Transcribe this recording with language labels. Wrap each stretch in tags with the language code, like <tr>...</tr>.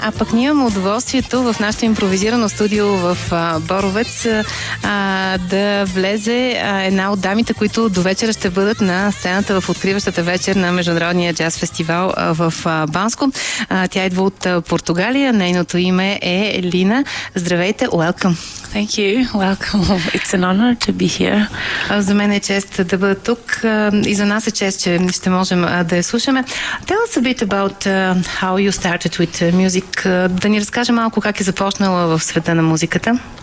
<bg>А пък ние имаме удоволствието в нашото импровизирано студио в Боровец да влезе една от дамите, които до вечера ще бъдат на сцената в откриващата вечер на Международния джаз фестивал в Банско. Тя идва от Португалия. Нейното име е Лина. Здравейте, welcome.</bg> <en>Thank you, welcome. It's an honor to be here.</en> <bg>За мен е чест да бъда тук и за нас е чест, че ще можем да я слушаме.</bg> <en>Tell us a bit about how you started with music.</en> <bg>Да ни разкаже малко как е започнала в света на музиката.</bg>